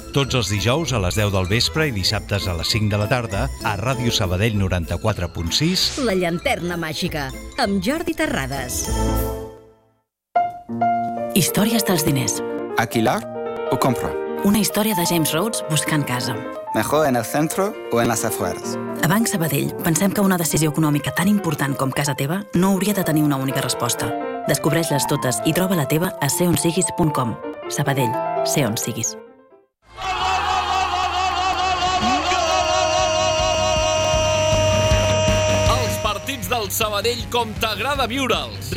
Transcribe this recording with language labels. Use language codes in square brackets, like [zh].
[ca] Tots els dijous a les 10 del vespre i dissabtes a les 5 de la tarda a Ràdio Sabadell 94.6. La llanterna màgica, amb Jordi Terrades. Històries dels diners. Aquilar o compra. Una història de James Rhodes buscant casa. [es] Mejor en el centro o en las afueras. [ca] A Banc Sabadell pensem que una decisió econòmica tan important com casa teva no hauria de tenir una única resposta. Descobreix-les totes i troba la teva a seonsiguis.com. Sabadell, sé on siguis. Els partits del Sabadell com t'agrada viure'ls.